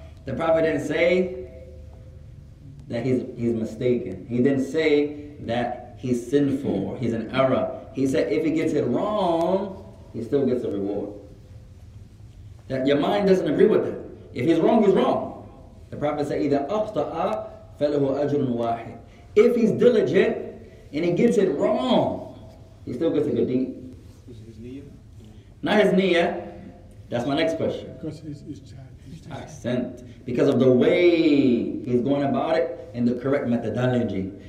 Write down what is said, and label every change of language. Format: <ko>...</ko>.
<en>The Prophet didn't say that he's mistaken. He didn't say that he's sinful or he's an error. He said if he gets it wrong, he still gets a reward. That your mind doesn't agree with it. If he's wrong, he's wrong. The Prophet said,</en> <ar>إِذَا أَخْطَأَ فَلَهُ أَجْرٌ وَاحِدٌ.</ar> <en>If he's diligent and he gets it wrong, he still gets a good deed. Not his niyyah. That's my next question. Because his accent. Because of the way he's going about it and the correct methodology.</en>